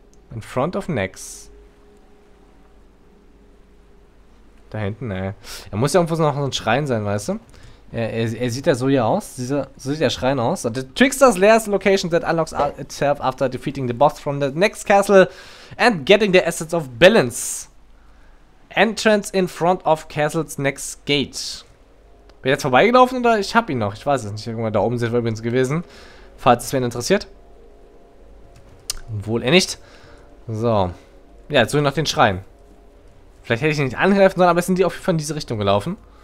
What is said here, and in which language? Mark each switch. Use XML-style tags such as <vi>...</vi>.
<en>In front of Next.</en> <de>Da hinten, ne. Er muss ja irgendwo noch so ein Schrein sein, weißt du? Er sieht ja so hier aus. So sieht der Schrein aus.</de> <en>The Trickster's Lair's Location that unlocks itself after defeating the boss from the next castle and getting the Essence of Balance. Entrance in front of castle's next gate.</en> <de>Bin jetzt vorbeigelaufen oder ich hab ihn noch? Ich weiß es nicht. Irgendwann da oben sind wir übrigens gewesen. Falls es wen interessiert. Wohl er nicht. So. Ja, jetzt suche ich noch den Schrein. Vielleicht hätte ich ihn nicht angreifen sollen, aber es sind die auf jeden Fall in diese Richtung gelaufen.</de>